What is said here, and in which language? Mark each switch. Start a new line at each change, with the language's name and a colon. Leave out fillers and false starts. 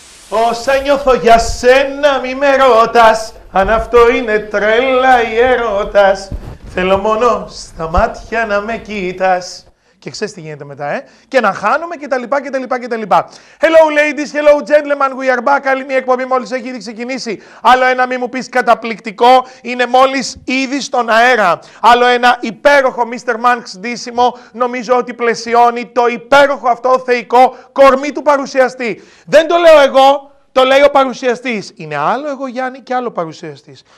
Greek: Όσα νιώθω για σένα μη με ρώτας, αν αυτό είναι τρέλα ή ερώτας. Θέλω μόνο στα μάτια να με κοίτας. Και ξέρεις τι γίνεται μετά, ε. Και να χάνουμε και τα λοιπά και τα λοιπά και τα λοιπά.
English: Hello ladies, hello gentlemen, we are back.
Greek: Άλλη μια εκπομπή μόλις έχει ήδη ξεκινήσει. Άλλο ένα μη μου πεις καταπληκτικό, είναι μόλις ήδη στον αέρα. Άλλο ένα υπέροχο Mr. Manx ντύσιμο, νομίζω ότι πλαισιώνει το υπέροχο αυτό θεϊκό κορμί του παρουσιαστή. Δεν το λέω εγώ, το λέει ο παρουσιαστής. Είναι άλλο εγώ Γιάννη και άλλο παρουσιαστής.